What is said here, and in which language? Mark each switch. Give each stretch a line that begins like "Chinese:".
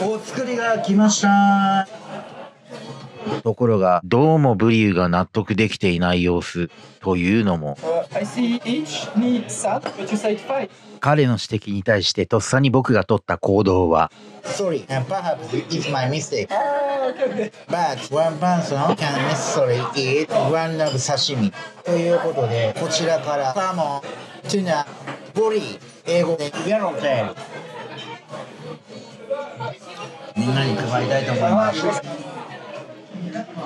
Japanese: お作りが来ました。ところがどうもブリューが納得できていない様子。というのも、彼の指摘に対してとっさに僕が取った行動は、
English: Sorry, and perhaps it's my mistake. But one person can necessarily eat one of sashimi.
Japanese: ということで、こちらからサーモン、チュナ、ボリー、英語でイエローテールみんなに配りたいと思います。